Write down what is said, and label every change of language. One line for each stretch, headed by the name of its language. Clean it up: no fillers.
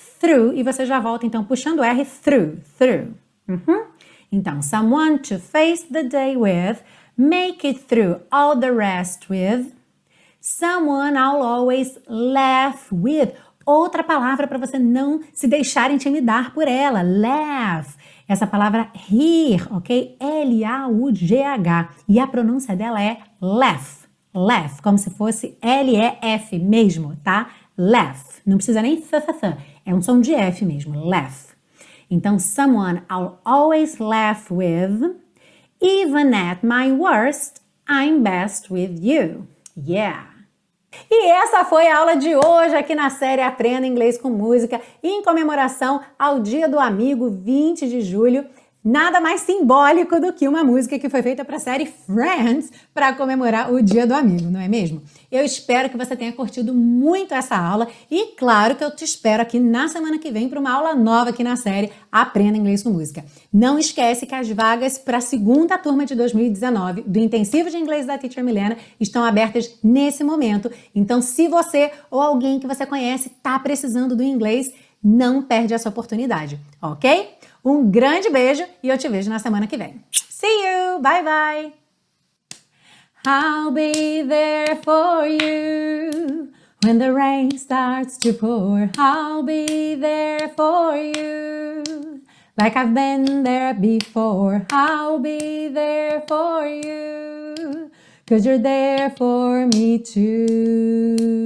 Portuguese: Through, e você já volta, então, puxando R, through, through. Uhum. Então,
English: someone to face the day with, make it through all the rest with. Someone I'll always laugh with.
Portuguese: Outra palavra para você não se deixar intimidar por ela, laugh. Essa palavra rir, ok? L-A-U-G-H. E a pronúncia dela é laugh. Laugh, como se fosse L-E-F mesmo, tá? Laugh. Não precisa nem th-th-th. É um som de F mesmo, laugh.
English: Então, someone I'll always laugh with. Even at my worst, I'm best with you. Yeah.
Portuguese: E essa foi a aula de hoje aqui na série Aprenda Inglês com Música, em comemoração ao Dia do Amigo, 20 de julho. Nada mais simbólico do que uma música que foi feita para a série Friends para comemorar o Dia do Amigo, não é mesmo? Eu espero que você tenha curtido muito essa aula e, claro, que eu te espero aqui na semana que vem para uma aula nova aqui na série Aprenda Inglês com Música. Não esquece que as vagas para a segunda turma de 2019 do Intensivo de Inglês da Teacher Milena estão abertas nesse momento. Então, se você ou alguém que você conhece está precisando do inglês, não perde essa oportunidade, ok? Um grande beijo e eu te vejo na semana que vem.
English: See you! Bye, bye! I'll be there for you when the rain starts to pour. I'll be there for you like I've been there before. I'll be there for you 'cause you're there for me too.